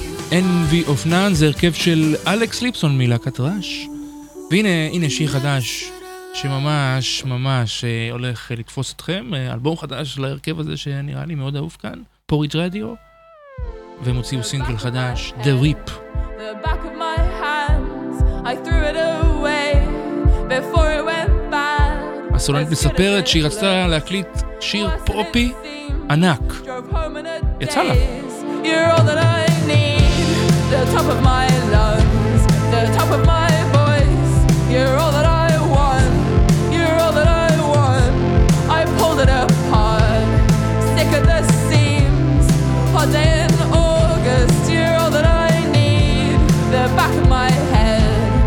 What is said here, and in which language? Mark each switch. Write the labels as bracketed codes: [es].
[he] Envy of None, זה הרכב של אלכס ליפסון מלהקת ראש, והנה שיר חדש שממש ממש הולך לתפוס אתכם, אלבום חדש להרכב הזה שנראה לי מאוד אהוב כאן, פוריג' רדיו, והם הוציאו סינגל חדש, The Rip. [en] The back of my hands I threw it away before it went bad. [he] הסולנית מספרת שהיא רצתה להקליט שיר פופי ענק, יצא לה. [en] You're all that I need, the top of my lungs, the top of my voice, you're all that I want, you're all that I want. I pulled it apart, sick at the seams, hot day in August, you're all that I need, the back of my head,